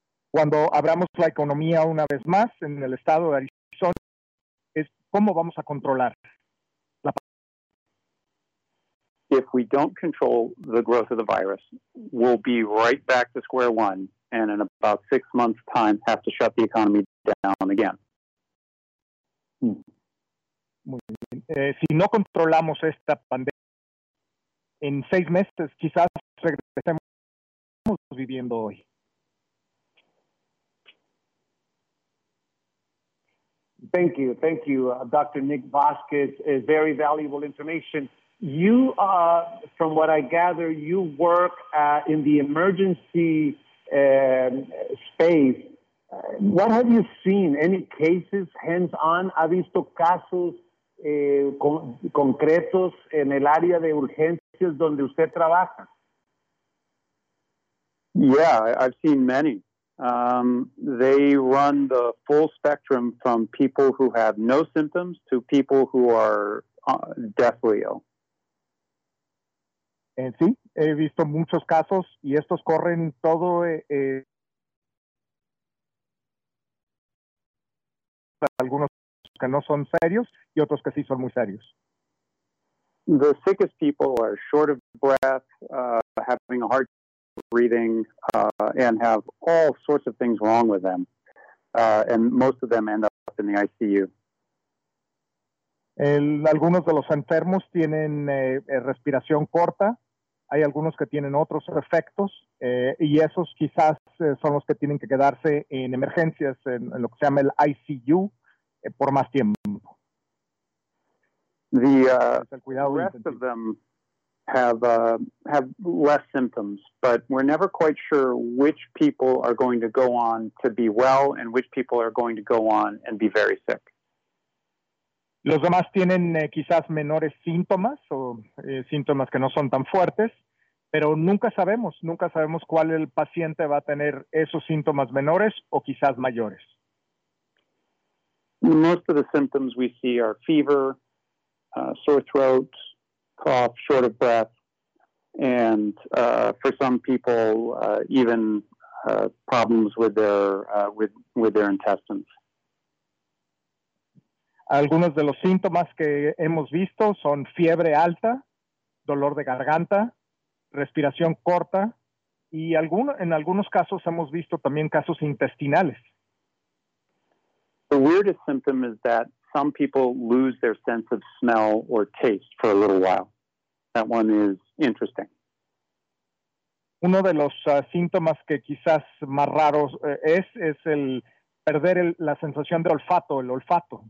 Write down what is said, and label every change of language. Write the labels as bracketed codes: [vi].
[es] Cuando abramos la economía una vez más en el estado de Arizona, es cómo vamos a controlar. [en] If we don't control the growth of the virus, we'll be right back to square one, and in about 6 months' time, have to shut the economy down again. [es] Muy bien. Si no controlamos esta pandemia, en seis meses, quizás regresemos viviendo hoy. [en] Thank you, Dr. Nick Vasquez. Very valuable information. You, from what I gather, you work in the emergency space. What have you seen? Any cases hands-on? [es] ¿Ha visto casos concretos en el área de urgencias donde usted trabaja? [en] Yeah, I've seen many. They run the full spectrum from people who have no symptoms to people who are deathly ill. [es] Sí, he visto muchos casos y estos corren todo algunos que no son serios y otros que sí son muy serios. [en] The sickest people are short of breath, having a hard time breathing, and have all sorts of things wrong with them. And most of them end up in the ICU. [es] Algunos de los enfermos tienen respiración corta. Hay algunos que tienen otros efectos, y esos quizás son los que tienen que quedarse en emergencias, en lo que se llama el ICU, por más tiempo. [en] The rest of them have less symptoms, but we're never quite sure which people are going to go on to be well and which people are going to go on and be very sick. [es] Los demás tienen quizás menores síntomas o síntomas que no son tan fuertes. Pero nunca sabemos cuál el paciente va a tener esos síntomas menores o quizás mayores. [en] Most of the symptoms we see are fever, sore throat, cough, short of breath, and for some people even problems with their intestines. [es] Algunos de los síntomas que hemos visto son fiebre alta, dolor de garganta, respiración corta, y en algunos casos hemos visto también casos intestinales. [en] The weirdest symptom is that some people lose their sense of smell or taste for a little while. That one is interesting. [es] Uno de los síntomas que quizás más raros es el perder la sensación de olfato, el olfato.